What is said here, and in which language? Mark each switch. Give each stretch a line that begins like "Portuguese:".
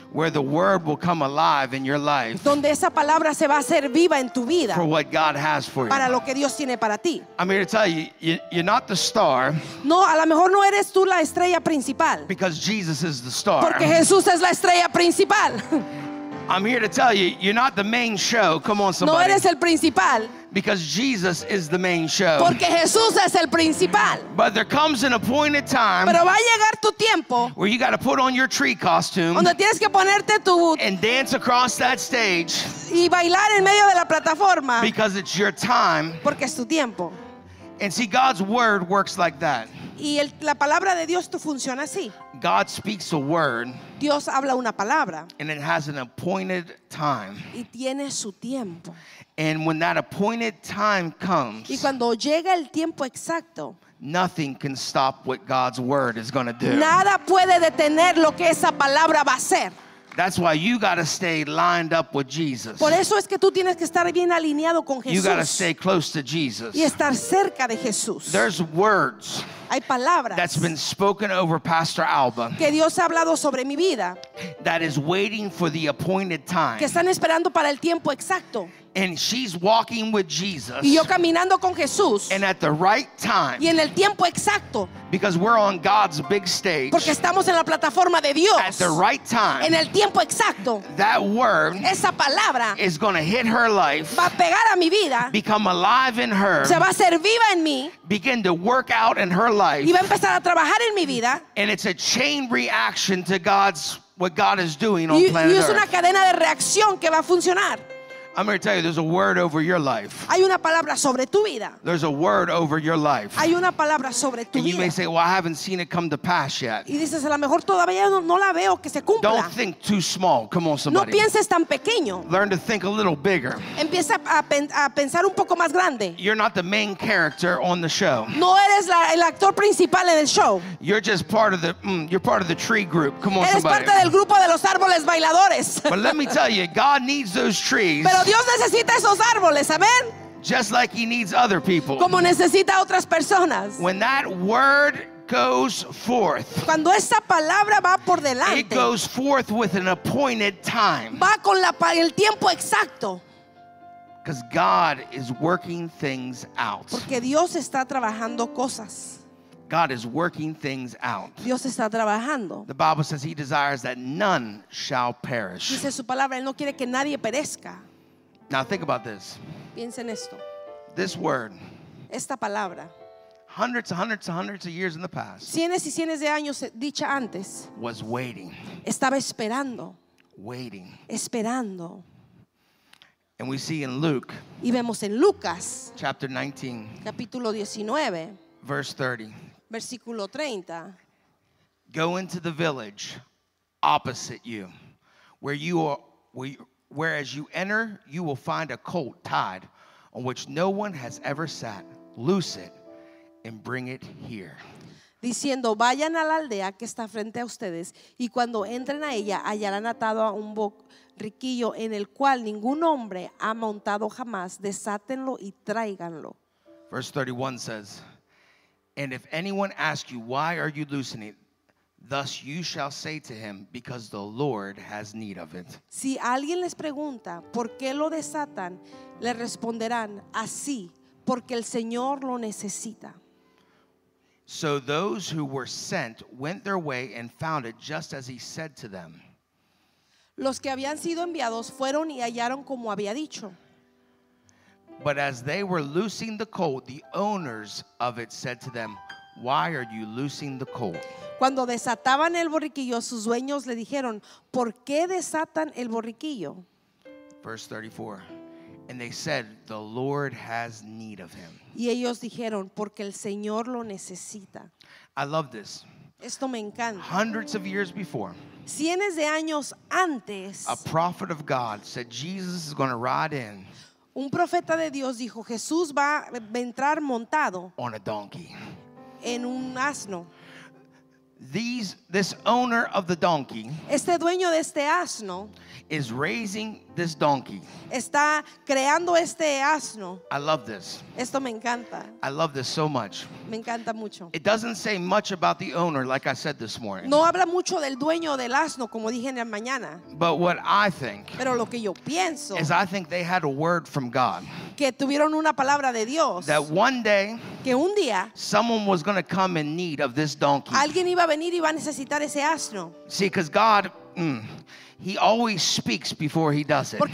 English: where the word will come alive in your life.
Spanish: Donde esa palabra se va a hacer viva en tu vida.
English: For what God has for
Spanish: para
English: you.
Spanish: Lo que Dios tiene para ti.
English: I'm here to tell you, you're not the star.
Spanish: No, a lo mejor no eres tú la estrella principal.
English: Because Jesus is the star.
Spanish: Porque Jesús es la estrella principal.
English: I'm here to tell you, you're not the main show. Come on, somebody.
Spanish: No eres el principal.
English: Because Jesus is the main show.
Spanish: Porque Jesús es el principal.
English: But there comes an appointed time.
Spanish: Pero va a llegar tu tiempo.
English: Where you got to put on your tree costume.
Spanish: Donde tienes que ponerte tu.
English: And dance across that stage.
Spanish: Y bailar en medio de la plataforma.
English: Because it's your time.
Spanish: Porque es tu tiempo.
English: And see, God's word works like that.
Spanish: Y la palabra de Dios tú funciona así.
English: God speaks a word.
Spanish: Dios habla una palabra.
English: And it has an appointed time.
Spanish: Y tiene su tiempo.
English: And when that appointed time comes,
Spanish: y cuando llega el tiempo exacto,
English: nothing can stop what God's word is going to do.
Spanish: Nada puede detener lo que esa palabra va a hacer.
English: That's why you got to stay lined up with Jesus.
Spanish: Por eso es que tú tienes que estar bien alineado con Jesús.
English: You got to stay close to Jesus.
Spanish: Y estar cerca de Jesús.
English: There's words.
Spanish: Hay palabras.
English: That's been spoken over Pastor Alba.
Spanish: Que Dios ha hablado sobre mi vida.
English: That is waiting for the appointed time.
Spanish: Que están esperando para el tiempo exacto.
English: And she's walking with Jesus.
Spanish: Y yo caminando con Jesús.
English: And at the right time.
Spanish: Y en el tiempo exacto.
English: Because we're on God's big stage.
Spanish: Porque estamos en la plataforma de Dios.
English: At the right time.
Spanish: En el tiempo exacto.
English: That word.
Spanish: Esa palabra.
English: Is going to hit her life.
Spanish: Va a pegar a mi vida.
English: Become alive in her.
Spanish: Se va a hacer viva en mí.
English: Begin to work out in her life.
Spanish: Y va a empezar a trabajar en mi vida.
English: And it's a chain reaction to God's what God is doing on
Spanish: y,
English: planet
Spanish: y es
English: Earth.
Spanish: Una cadena de reacción que va a funcionar.
English: I'm going to tell you, there's a word over your life.
Spanish: Hay una palabra sobre tu vida.
English: There's a word over your life.
Spanish: Hay una palabra sobre tu
English: and you
Spanish: vida.
English: May say, well, I haven't seen it come to pass yet.
Spanish: Y dices, a lo mejor todavía no, no la veo que se cumpla.
English: Don't think too small. Come on, somebody.
Spanish: No pienses tan pequeño.
English: Learn to think a little bigger.
Spanish: Empieza a pensar un poco más grande.
English: You're not the main character on the show.
Spanish: No eres el actor principal en el show.
English: You're just part of the you're part of the tree group. Come on,
Spanish: eres
English: somebody.
Spanish: Eres parte del grupo de los árboles bailadores.
English: But let me tell you, God needs those trees.
Spanish: Pero Dios necesita esos árboles, amén.
English: Just like he needs other people.
Spanish: Como necesita otras personas.
English: When that word goes forth.
Spanish: Cuando esa palabra va por delante.
English: It goes forth with an appointed time.
Spanish: Va con el tiempo exacto.
English: Because God is working things out.
Spanish: Porque Dios está trabajando cosas.
English: God is working things out.
Spanish: Dios está trabajando.
English: The Bible says he desires that none shall perish.
Spanish: Dice su palabra, él no quiere que nadie perezca.
English: Now think about this.
Spanish: Piensa en esto.
English: This word.
Spanish: Esta palabra.
English: Hundreds and hundreds and hundreds of years in the past.
Spanish: Cientos y cientos de años dicha antes.
English: Was waiting.
Spanish: Estaba esperando.
English: Waiting.
Spanish: Esperando.
English: And we see in Luke.
Spanish: Y vemos en Lucas.
English: Chapter 19.
Spanish: Capítulo 19.
English: Verse 30.
Spanish: Versículo 30.
English: Go into the village opposite you, where you are. Whereas you enter, you will find a colt tied on which no one has ever sat. Loose it and bring it here.
Spanish: Diciendo, vayan a la aldea que está frente a ustedes, y cuando entren a ella, hallarán atado a un borriquillo en el cual ningún hombre ha montado jamás. Desátenlo y tráiganlo.
English: Verse 31 says, and if anyone asks you, why are you loosening it? Thus you shall say to him, because the Lord has need of it.
Spanish: Si alguien les pregunta por qué lo desatan, le responderán así, porque el Señor lo necesita.
English: So those who were sent went their way and found it just as he said to them.
Spanish: Los que habían sido enviados fueron y hallaron como había dicho.
English: But as they were loosing the colt, the owners of it said to them, why are you loosing the colt?
Spanish: Cuando desataban el borriquillo, sus dueños le dijeron, ¿por qué desatan el borriquillo?
English: Verse 34. And they said, the Lord has need of him.
Spanish: Y ellos dijeron, porque el Señor lo necesita.
English: I love this.
Spanish: Esto me encanta.
English: Hundreds of years before.
Spanish: Cientos de años antes.
English: A prophet of God said, Jesus is going to ride in.
Spanish: Un profeta de Dios dijo, Jesús va a entrar montado.
English: On a donkey.
Spanish: En un asno.
English: this owner of the donkey,
Spanish: este dueño de este asno,
English: is raising this donkey.
Spanish: Está creando este asno.
English: I love this.
Spanish: Esto me encanta.
English: I love this so much.
Spanish: Me encanta mucho.
English: It doesn't say much about the owner, like I said this morning.
Spanish: No habla mucho del dueño del asno, como dije en la mañana.
English: But what I think,
Spanish: pero lo que yo pienso,
English: is I think they had a word from God.
Spanish: Que tuvieron una palabra de Dios.
English: That one day,
Spanish: que un día,
English: someone was going to come in need of this donkey.
Spanish: Alguien iba a venir y iba a necesitar ese asno.
English: See, because God, He always speaks before he does it.